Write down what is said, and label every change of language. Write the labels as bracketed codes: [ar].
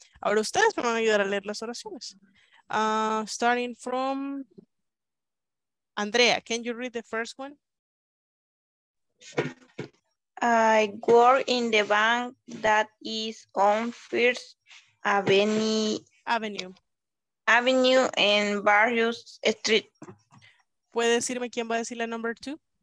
[es] Ahora ustedes me van a ayudar a leer las oraciones. [en] Starting from Andrea, can you read the first one? I work in the bank that is on First Avenue and Barrios Street. [es] ¿Puede decirme quién va a decir la [en] number two?